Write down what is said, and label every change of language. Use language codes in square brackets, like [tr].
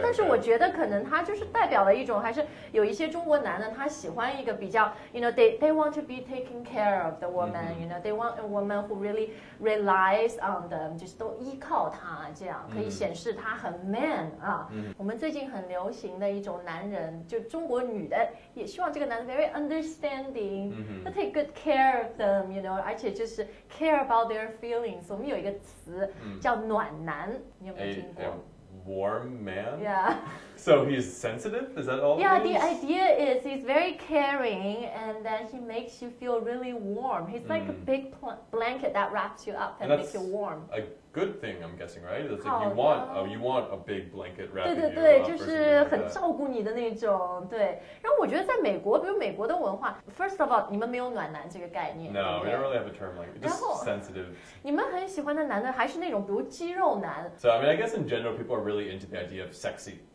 [zh] 但是我觉得可能她就是代表了一种，还是有一些中国男的他喜欢一个比较 ， [en] you know, they want to be taken care of the woman.、You know, they want a woman who really relies on them, [zh] 就是都依靠他，这样可以显示他很 man 啊。我们最近很流行的一种男人，就中国女的也希望这个男的。 [en] Very understanding, to take good care of them, you know, [zh] 而且就是 [en] care about their feelings. [zh] 我们有一个词叫暖男，你有没有听过？ [en] A warm man? Yeah. So he's sensitive? Is that all? Yeah, the idea is he's very caring and then he makes you feel really warm. He's like a big blanket that wraps you up and makes you warm. A good thing, I'm guessing, right? That's like you want a big blanket wrapping [zh] 对对对 [en] you up. [zh] 就是很照顾你的那种对然后我觉得在美国比如美国的文化 [en] First of all, [zh] 你们没有暖男这个概念 [en] No, we don't really have a term like it. Just sensitive. [zh] 你们很喜欢的男的还是那种比如肌肉男 [en] So, I mean, I guess in general, people are really into the idea of sexy.